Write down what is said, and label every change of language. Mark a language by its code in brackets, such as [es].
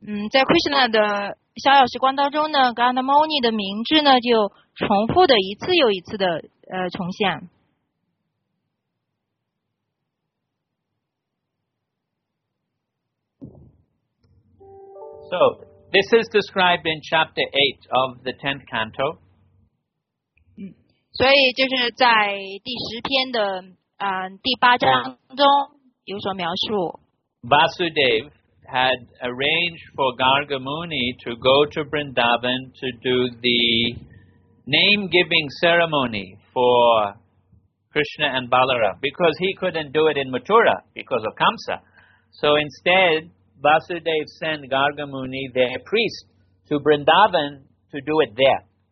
[zh] 在 Krishna 的逍遥时光当中呢 ，Gargamuni 的名字呢就重复的一次又一次的重现。 [en] So this is described in chapter 8 of the 10th canto. [zh] 所以就是在第十篇的第八章中有所描述。 [en] Vasudev had arranged for Gargamuni to go to Vrindavan to do the name-giving ceremony for Krishna and Balaram because he couldn't do it in Mathura because of Kamsa. So instead, Vasudev sent Gargamuni, their priest, to Vrindavan to do it there.